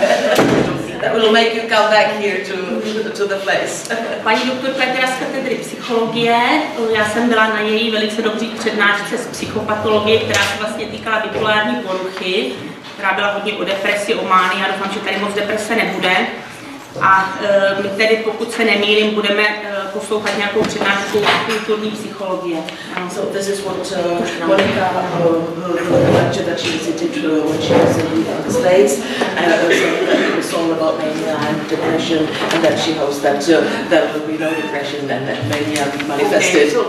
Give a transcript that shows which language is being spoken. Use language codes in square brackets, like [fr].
[en] That will make you come back here to the place. [cs] Paní doktorka je z katedry psychologie. Já jsem byla na její velice dobrý přednášce z psychopatologie, která se vlastně týkala bipolární poruchy, která byla hodně o depresi, o mánii. Já doufám, že tady moc deprese nebude. A my tedy, pokud se nemýlím, budeme poslouchat nějakou přednášku kulturní psychologie. [en] So this is what Monika lecture that she visited when she was in the States, and also that it was all about mania and depression, and that she hopes that there will be no depression and that mania be manifested.